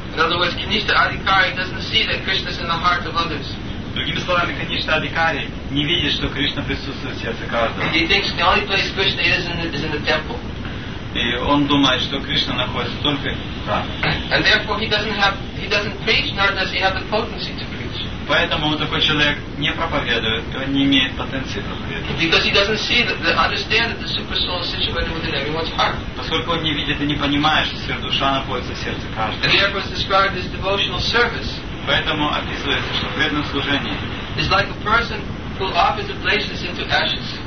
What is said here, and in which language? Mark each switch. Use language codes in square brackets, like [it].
[en] In other words, Kanishtha Adhikari doesn't see that Krishna is in the heart of others. [ru] Другими словами, Kanishtha Adhikari не видит, что Кришна присутствует в сердце каждого. [en] He thinks the only place Krishna is in the temple. [ru] И он думает, что Кришна находится только там. [en] And therefore he doesn't preach, nor does he have the potency to preach. [ru] Поэтому такой человек не проповедует, он не имеет потенции проповедовать. [en] Because he doesn't see that, understand that the super soul is situated within everyone's heart. [ru] Поскольку он не видит и не понимает, что сердуша находится в сердце каждого. [en] And therefore it's described as devotional service. [ru] Поэтому описывается, что преданное служение. [en] It's like a person who offers oblations into ashes.